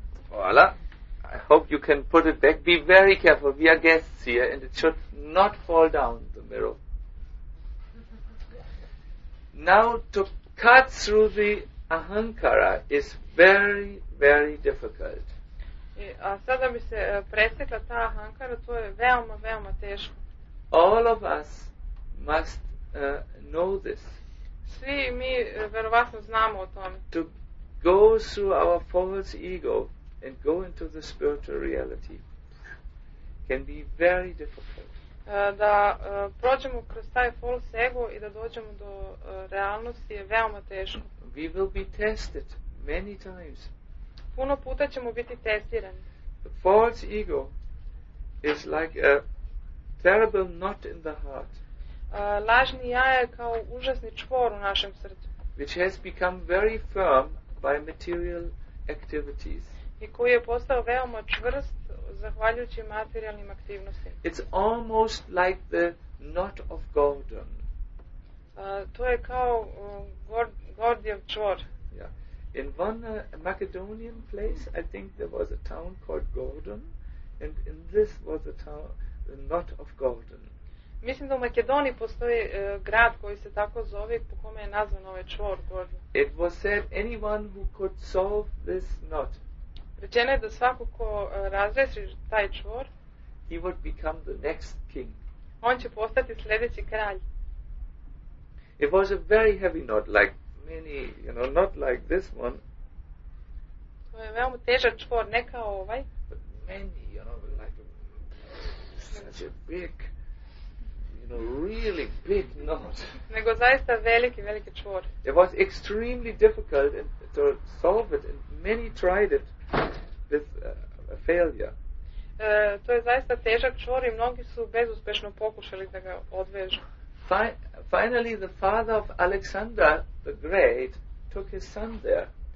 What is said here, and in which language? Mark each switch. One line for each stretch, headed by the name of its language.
English: Voila. I hope you can put it back. Be very careful. We are guests here and it should not fall down the mirror. Now, to cut through the ahankara is very, very difficult.
Serbian: A sada bi se presekla ta ahankara, to je veoma, veoma teško.
English: All of us must know this.
Serbian: Svi mi verovatno znamo o tome.
English: To go through our false ego and go into the spiritual reality can be very difficult.
Serbian: Da prođemo kroz taj false ego i da dođemo do realnosti je veoma teško.
English: We will be tested many times.
Serbian: Puno puta ćemo biti testirani.
English: The false ego is like a terrible knot in the heart.
Serbian: Lažni ja je kao užasni čvor u našem srcu.
English: Which has become very firm by material activities.
Serbian: I koji je postao veoma čvrst zahvaljujući materijalnim aktivnostima.
English: It's almost like the knot of Gordon.
Serbian: To je kao Gordijev čvor.
English: Yeah. In one Macedonian place, I think there was a town called Gordon, and in this was a town, the knot of Gordon.
Serbian: Mislim da u Makedoniji postoji grad koji se tako zove po kome je nazvan ovaj čvor Gordon.
English: It was said anyone who could solve this knot.
Serbian: Rečeno je da svako ko razreši taj čvor,
English: he would become the next king.
Serbian: On će postati sljedeći kralj.
English: It was a very heavy knot, like many, you know, not like this one.
Serbian: To je veoma težak čvor, ne kao ovaj.
English: But many, you know, like such a big, you know, really big knot.
Serbian: Nego zaista veliki, veliki čvor.
English: It was extremely difficult to solve it, and many tried it with a failure.
Serbian: To je zaista težak čvor i mnogi su bezuspešno pokušali da ga odvežu.
English: Finally, the father of Alexander the Great took his son there.